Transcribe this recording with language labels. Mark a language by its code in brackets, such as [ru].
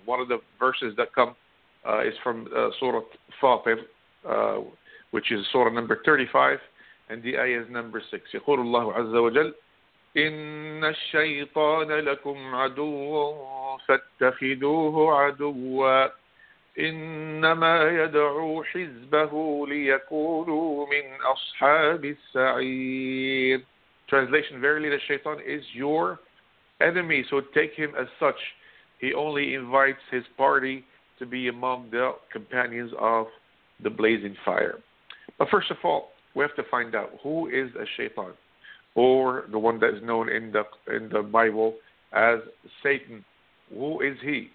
[en] One of the verses that come is from Surah Fatir, which is Surah number 35, and the ayah is number 6. [ar] يقول الله عز وجل إن الشيطان لكم عدو فاتخذوه عدوا إنما يدعو حزبه ليكونوا من أصحاب السعير. [en] Translation: verily the shaitan is your enemy, so take him as such. He only invites his party to be among the companions of the blazing fire. But first of all, we have to find out who is a shaitan, or the one that is known in the Bible as Satan. Who is he?